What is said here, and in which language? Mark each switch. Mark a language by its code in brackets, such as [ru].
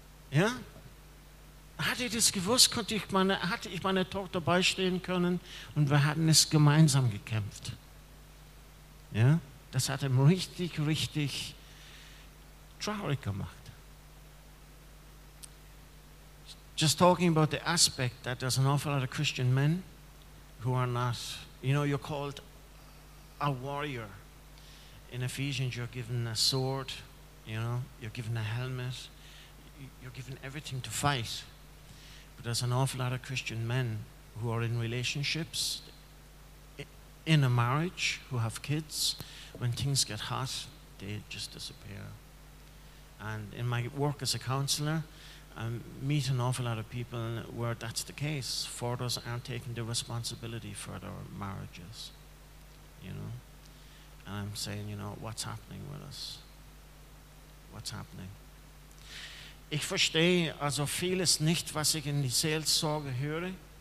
[de] Ja? Hatte ich das gewusst, hatte ich meine Tochter beistehen können und wir hatten es gemeinsam gekämpft. Ja, das hat ihm richtig, richtig traurig gemacht. [en] Just talking about the aspect that there's an awful lot of Christian men who are not, you know, you're called a warrior. In Ephesians, you're given a sword, you know, you're given a helmet, you're given everything to fight. But there's an awful lot of Christian men who are in relationships, in a marriage, who have kids. When things get hot, they just disappear. And in my work as a counselor, I meet an awful lot of people where that's the case. Fathers aren't taking the responsibility for their marriages, you know. And I'm saying, you know, what's happening with us? What's happening? [de] Ich verstehe also vieles nicht, was ich in die Seelsorge höre.